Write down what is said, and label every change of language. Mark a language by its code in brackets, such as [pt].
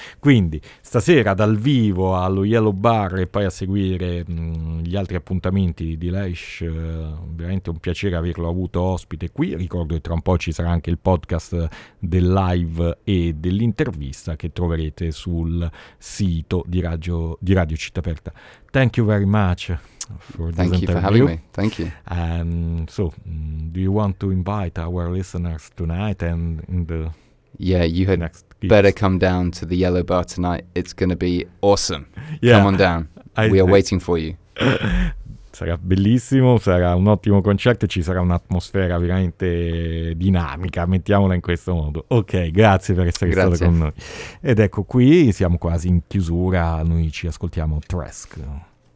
[it] Quindi stasera dal vivo allo Yellow Bar e poi a seguire gli altri appuntamenti di Lash, veramente un piacere averlo avuto ospite qui. Ricordo che tra un po' ci sarà anche il podcast del live e dell'intervista che troverete sul sito di Radio Città Aperta. [en] Thank you very much. Thank you for having me. Thank you. Do you want to invite our listeners tonight and in the next gigs? Better come down to the Yellow Bar tonight. It's going to be awesome. Yeah. Come on down. We are waiting for you. [it] Sarà bellissimo, sarà un ottimo concerto e ci sarà un'atmosfera veramente dinamica, mettiamola in questo modo. Ok, grazie per essere stato con noi. Ed ecco qui, siamo quasi in chiusura, noi ci ascoltiamo Tresk.